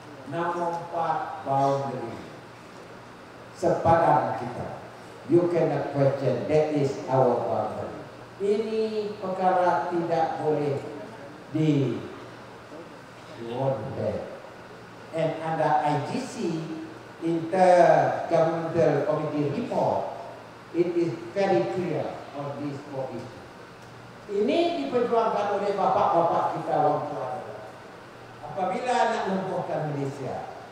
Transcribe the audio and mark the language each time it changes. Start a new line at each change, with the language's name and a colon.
Malay: Nombor empat, boundary. Sepadan kita.
English: You cannot question, that is our boundary.
Malay: Ini perkara tidak boleh di wonder.
English: And under IGC, Intergovernmental Committee Report, it is very clear on this issue.
Malay: Ini diperjuangkan oleh bapak-bapak kita orang tua apabila nak lumpuhkan Malaysia.